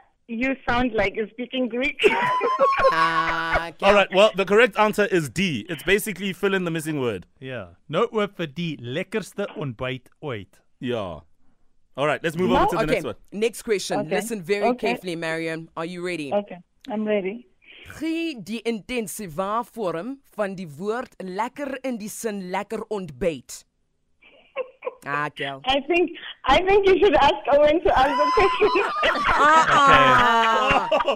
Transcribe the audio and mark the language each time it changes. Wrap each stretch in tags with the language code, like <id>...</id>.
<en>You sound like you're speaking Greek. Okay. All right, well, the correct answer is D. It's basically fill in the missing word. Yeah.</en> <af>Nou oop vir die lekkerste ontbyt ooit.</af> <en>Yeah. All right, let's move over to the next one. Next question. Okay. Listen very carefully, Marion. Are you ready? Okay, I'm ready.</en> <af>Gee die intensiva vorm van die woord lekker in die sin lekker ontbyt.</af> <en>Ah, girl. I think you should ask Owen to answer the question.</en>